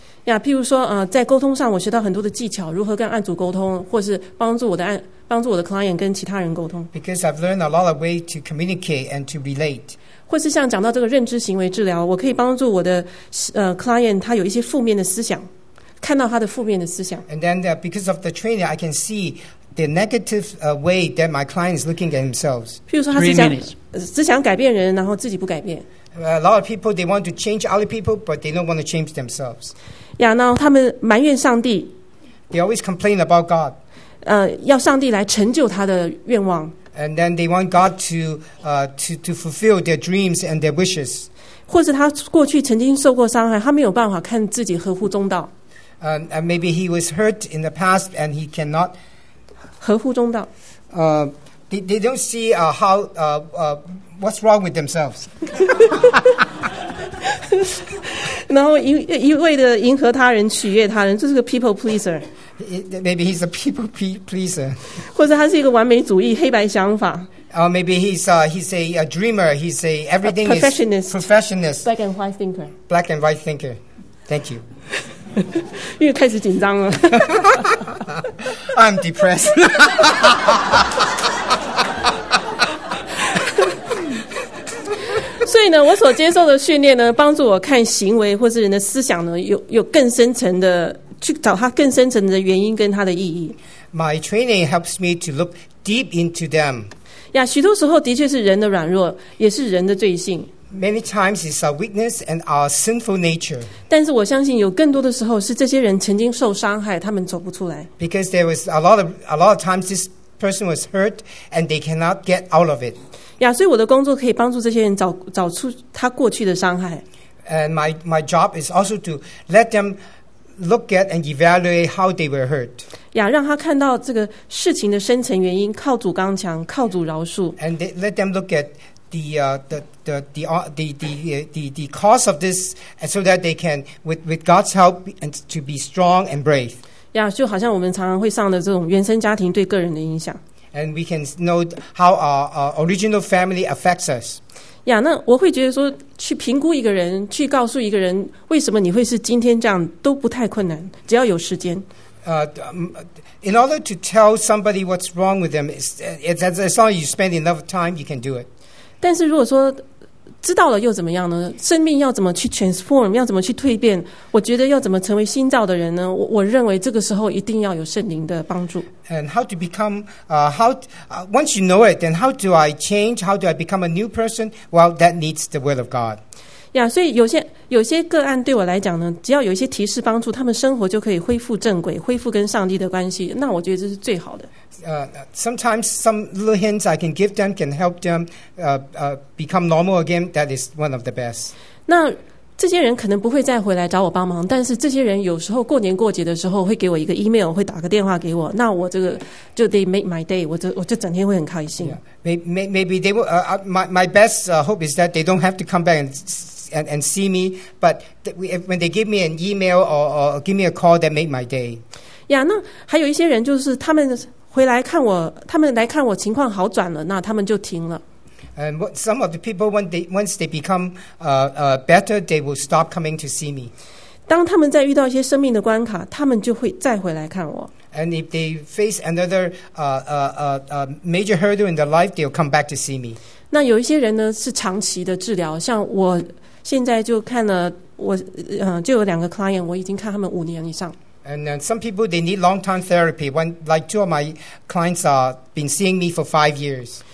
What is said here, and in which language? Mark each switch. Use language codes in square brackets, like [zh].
[zh] Yeah, 譬如说在沟通上，我学到很多的技巧，如何跟案主沟通，或是帮助我的案。帮助我的 client 跟其他人沟通 [en] ，because I've learned a lot of ways to communicate and to relate， [zh] 或是像讲到这个认知行为治疗，我可以帮助我的client 他有一些负面的思想，看到他的负面的思想。 [en] And then because of the training, I can see the negative way that my client is looking at themselves. [zh] 譬如说他是想只想改变人，然后自己不改变。 [en] A lot of people they want to change other people, but they don't want to change themselves. [zh] Yeah, 然后他们埋怨上帝。 [en] They always complain about God. [zh] 要上帝来成就他的愿望。 [en] And then they want God to fulfill their dreams and their wishes. [zh] 或者他过去曾经受过伤害，他没有办法看自己合乎中道。 [en] And maybe he was hurt in the past and he cannot [zh] 合乎中道。 [en] They don't see how what's wrong with themselves. [zh] 然后一味的迎合他人，取悦他人，这是个 people pleaser。 [en] Maybe he's a people pleaser. [zh] 或者他是一个完美主义，黑白想法。 [en] Maybe he's a dreamer. He's a everything a professionist. Is professionist. Black and white thinker. Black and white thinker. Thank you. [zh] 因为开始紧张了。 [en] I'm depressed. [zh] 所以呢，我所接受的训练呢，帮助我看行为或是人的思想呢，有更深层的。去找他更深层的原因跟他的意义。 [en] My training helps me to look deep into them. [zh] 呀，许多时候的确是人的软弱，也是人的罪性。 [en] Many times it's our weakness and our sinful nature. [zh] 但是我相信有更多的时候是这些人曾经受伤害，他们走不出来。 [en] Because there was a lot of times this person was hurt and they cannot get out of it. [zh] 呀，所以我的工作可以帮助这些人找出他过去的伤害。 [en] And my job is also to let them. Look at and evaluate how they were hurt. [zh] Yeah, 让他看到这个事情的深层原因，靠主刚强，靠主饶恕。 [en] And let them look at the cause of this, so that they can with God's help and to be strong and brave. [zh] Yeah, 就好像我们常常会上的这种原生家庭对个人的影响。 [en] And we can know how our original family affects us. [zh] 呀，那我会觉得说，去评估一个人，去告诉一个人为什么你会是今天这样，都不太困难，只要有时间。 [en] In order to tell somebody what's wrong with them, it's as long as you spend enough time, you can do it. [zh] 但是如果说知道了又怎么样呢？生命要怎么去 transform， 要怎么去蜕变？我觉得要怎么成为新造的人呢？我认为这个时候一定要有圣灵的帮助。 [en] And how to become once you know it, then how do I change? How do I become a new person? Well, that needs the will of God. [zh] Yeah, 所以有些个案对我来讲呢，只要有一些提示帮助，他们生活就可以恢复正轨，恢复跟上帝的关系。那我觉得这是最好的。 [en] Sometimes some little hints I can give them can help them become normal again. That is one of the best. [zh] 那这些人可能不会再回来找我帮忙，但是这些人有时候过年过节的时候会给我一个 email， 会打个电话给我。那我这个就 [en] they make my day， [zh] 我就整天会很开心。Yeah. [en] Maybe they will. My best hope is that they don't have to come back and see me. But when they give me an email or give me a call, that make my day. Yeah. [zh] 那还有一些人就是他们。回来看我，他们来看我情况好转了，那他们就停了。 [en] And some of the people once they become better, they will stop coming to see me. [zh] 当他们在遇到一些生命的关卡，他们就会再回来看我。 [en] And if they face another major hurdle in their life, they'll come back to see me. [zh] 那有一些人呢是长期的治疗，像我现在就看了我就有两个 client， 我已经看他们五年以上。 [en] And some people, they need long-term therapy. When, like two of my clients have been seeing me for 5 years.